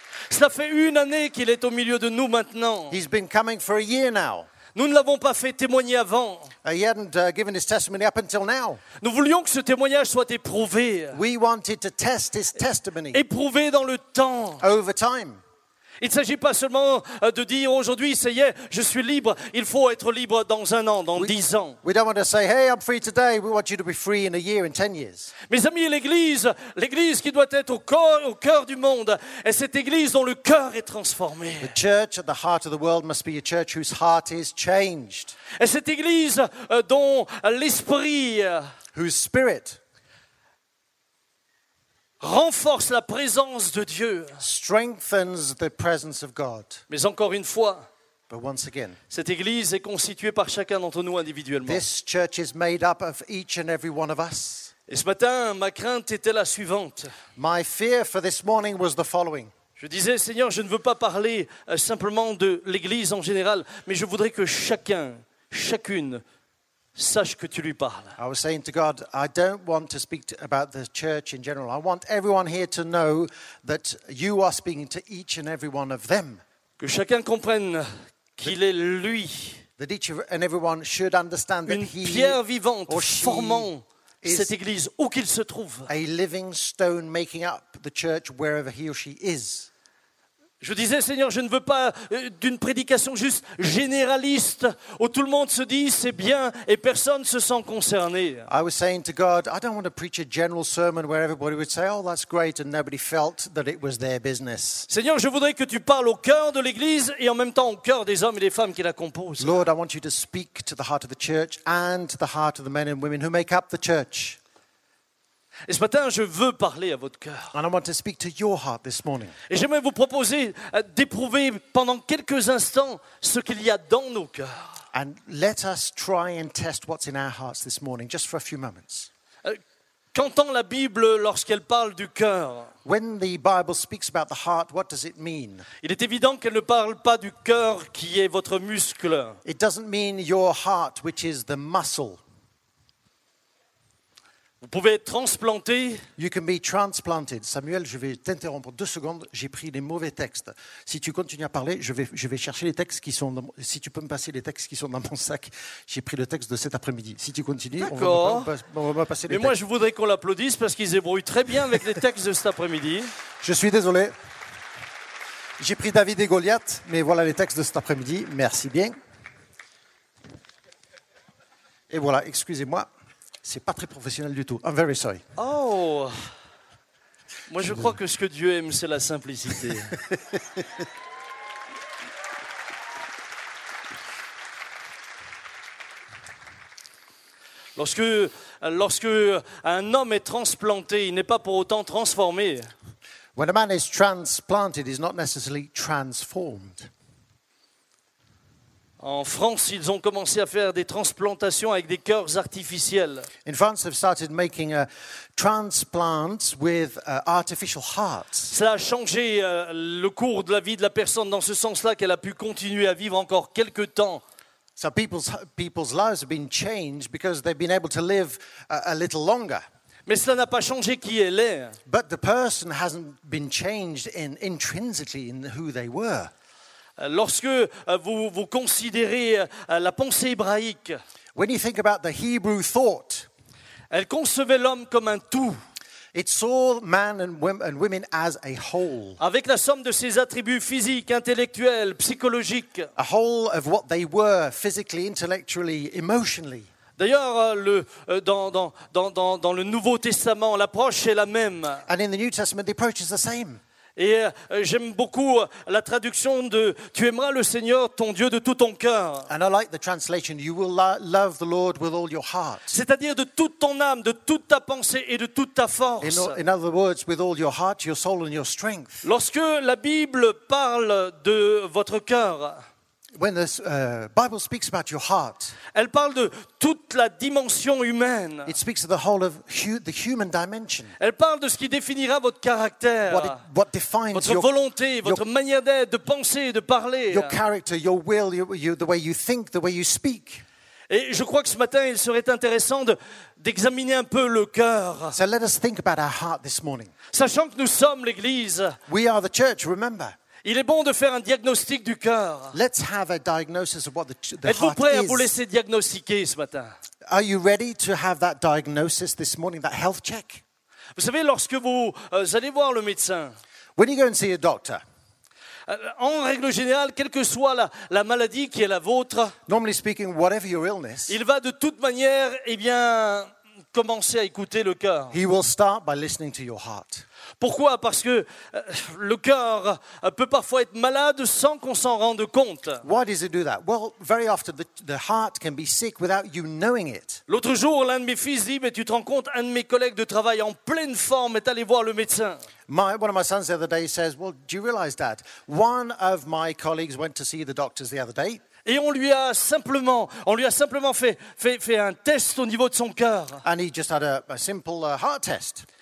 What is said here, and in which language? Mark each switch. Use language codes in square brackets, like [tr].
[fr] Ça fait une année qu'il est au milieu de nous maintenant. [en] He's been coming for a year now. [fr] Nous ne l'avons pas fait témoigner avant. [en] He hadn't given his testimony up until now. [fr] Nous voulions que ce témoignage soit éprouvé. [en] We wanted to test his testimony. [fr] Éprouvé dans le temps. [en] Over time. [fr] Il ne s'agit pas seulement de dire aujourd'hui, ça y est, je suis libre. Il faut être libre dans un an, dans 10 ans. [en] We don't want to say, hey, I'm free today. We want you to be free in a year, in 10 years. [fr] Mes amis, l'Église qui doit être au cœur du monde, est cette Église dont le cœur est transformé. [en] The church at the heart of the world must be a church whose heart is changed. [fr] Et cette Église dont l'Esprit. [en] Whose spirit. [fr] Renforce la présence de Dieu. [en] Strengthens the presence of God. [fr] Mais encore une fois, [en] but once again, [fr] cette église est constituée par chacun d'entre nous individuellement. [en] This church is made up of each and every one of us. [fr] Et ce matin, ma crainte était la suivante. [en] My fear for this morning was the following. [fr] Je disais, Seigneur, je ne veux pas parler simplement de l'église en général, mais je voudrais que chacun, chacune, sache que tu lui parles. [en] I was saying to God, I don't want to speak about the church in general. I want everyone here to know that you are speaking to each and every one of them. [fr] Que chacun comprenne qu'il est lui. [en] That each and everyone should understand that [fr] une pierre vivante formant cette église où qu'il se trouve. [en] A living stone making up the church wherever he or she is. [fr] Je disais, Seigneur, je ne veux pas d'une prédication juste généraliste où tout le monde se dit c'est bien et personne ne se sent concerné. [en] I was saying to God, I don't want to preach a general sermon where everybody would say, oh, that's great, and nobody felt that it was their business. [fr] Seigneur, je voudrais que tu parles au cœur de l'Église et en même temps au cœur des hommes et des femmes qui la composent. [en] Lord, I want you to speak to the heart of the church and to the heart of the men and women who make up the church. [fr] Et ce matin, je veux parler à votre cœur. [en] And I want to speak to your heart this morning. [fr] Et j'aimerais vous proposer d'éprouver pendant quelques instants ce qu'il y a dans nos cœurs. [en] And let us try and test what's in our hearts this morning, just for a few moments. [fr] Qu'entend la Bible lorsqu'elle parle du cœur? [en] When the Bible speaks about the heart, what does it mean? [fr] Il est évident qu'elle ne parle pas du cœur qui est votre muscle. [en] It doesn't mean your heart, which is the muscle. [fr] Vous pouvez être transplanté. [en] You can be transplanted. [fr] Samuel, je vais t'interrompre 2 secondes. J'ai pris les mauvais textes. Si tu continues à parler, je vais chercher les textes qui sont dans mon, si tu peux me passer les textes qui sont dans mon sac. J'ai pris le texte de cet après-midi. Si tu continues, on va passer les textes. Mais moi, je voudrais qu'on l'applaudisse parce qu'ils ébrouillent très bien avec les textes de cet après-midi. Je suis désolé. J'ai pris David et Goliath, mais voilà les textes de cet après-midi. Merci bien. Et voilà, excusez-moi. C'est pas très professionnel du tout. [en] I'm very sorry. [fr] Oh, moi je crois que ce que Dieu aime, c'est la simplicité. Lorsque un homme est transplanté, il n'est pas pour autant transformé. [en] When a man is transplanted, he's not necessarily transformed. [fr] En France, ils ont commencé à faire des transplantations avec des cœurs artificiels. [en] In France, they've started making transplants with artificial hearts. [fr] Cela a changé le cours de la vie de la personne dans ce sens-là qu'elle a pu continuer à vivre encore quelques temps. [en] So people's lives have been changed because they've been able to live a little longer. [fr] Mais cela n'a pas changé qui elle est. [en] But the person hasn't been changed in intrinsically in who they were. [fr] Lorsque vous considérez la pensée hébraïque, [en] when you think about the Hebrew thought, [fr] elle concevait l'homme comme un tout. [en] It saw man and women as a whole. [fr] Avec la somme de ses attributs physiques, intellectuels, psychologiques. [en] A whole of what they were physically, intellectually, emotionally. [fr] D'ailleurs, dans le Nouveau Testament, l'approche est la même. [en] And in the New Testament, the approach is the same. [fr] Et j'aime beaucoup la traduction de « Tu aimeras le Seigneur, ton Dieu, de tout ton cœur ». [en] And I like the translation « You will love the Lord with all your heart ». [fr] C'est-à-dire de toute ton âme, de toute ta pensée et de toute ta force. [en] In other words, with all your heart, your soul and your strength. [fr] Lorsque la Bible parle de votre cœur, [en] when the Bible speaks about your heart, [fr] elle parle de toute la dimension humaine. [en] It speaks of the whole of the human dimension. [fr] Elle parle de ce qui définira votre caractère, [en] what defines [fr] votre volonté, votre manière d'être, de penser, de parler. [en] Your character, your will, the way you think, the way you speak. [fr] Et je crois que ce matin, il serait intéressant d'examiner un peu le cœur. [en] So let us think about our heart this morning. [fr] Sachant que nous sommes l'Église. [en] We are the church, remember. [fr] Il est bon de faire un diagnostic du cœur. [en] Let's have a diagnosis of what the heart is. [fr] Êtes-vous prêt à vous laisser diagnostiquer ce matin? [en] Are you ready to have that diagnosis this morning, that health check? [fr] Vous savez, lorsque vous allez voir le médecin, [en] when you go and see a doctor, [fr] en règle générale, quelle que soit la maladie qui est la vôtre, [en] normally speaking, whatever your illness, [fr] il va de toute manière, eh bien, commencer à écouter le cœur. [en] He will start by listening to your heart. [fr] Pourquoi? Parce que le cœur peut parfois être malade sans qu'on s'en rende compte. [en] Why does it do that? Well, very often the heart can be sick without you knowing it. [fr] L'autre jour, l'un de mes fils dit, mais tu te rends compte, un de mes collègues de travail en pleine forme est allé voir le médecin. [en] One of my sons the other day says, well, do you realize that? One of my colleagues went to see the doctors the other day. [fr] Et on lui a simplement fait un test au niveau de son cœur. [en] And he just had a simple heart test.